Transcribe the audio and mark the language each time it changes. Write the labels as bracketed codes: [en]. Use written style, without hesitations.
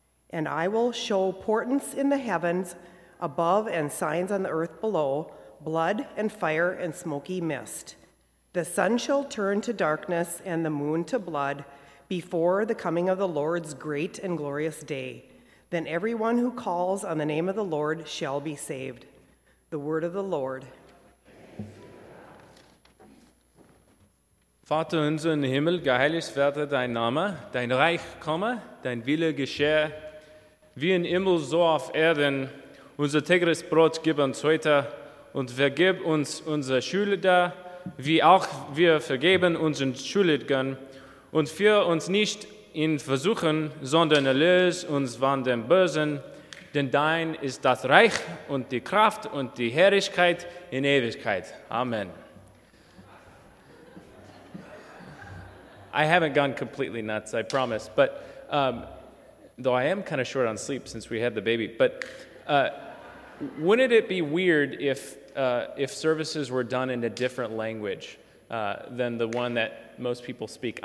[en] And I will show portents in the heavens above and signs on the earth below, blood and fire and smoky mist. The sun shall turn to darkness and the moon to blood before the coming of the Lord's great and glorious day. Then everyone who calls on the name of the Lord shall be saved." The word of the Lord. [de] Vater unser im Himmel, geheiligt werde dein Name, dein Reich komme, dein Wille geschehe, wie im Himmel so auf Erden. Unser tägliches Brot gib uns heute und vergib uns unsere Schuldigen, wie auch wir vergeben unseren Schuldigen. Und führ uns nicht in Versuchen, sondern erlöse uns von dem Bösen, denn dein ist das Reich und die Kraft und die Herrlichkeit in Ewigkeit. Amen. [en] I haven't gone completely nuts, I promise, but though I am kind of short on sleep since we had the baby, but wouldn't it be weird if services were done in a different language than the one that most people speak?